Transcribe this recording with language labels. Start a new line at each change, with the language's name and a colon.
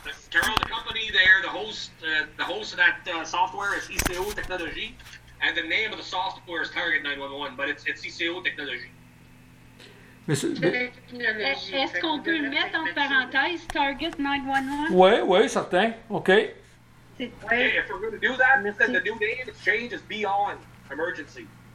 English: Carol, the company there, the host of that software is ICO Technology, and the name of the software is Target 911, but it's ICO Technology.
French: Est-ce qu'on peut le mettre en parenthèse, Target 911? Oui, oui, certain. OK.
English: Hey, if we're going to do that, then the new name change is Beyond Emergency.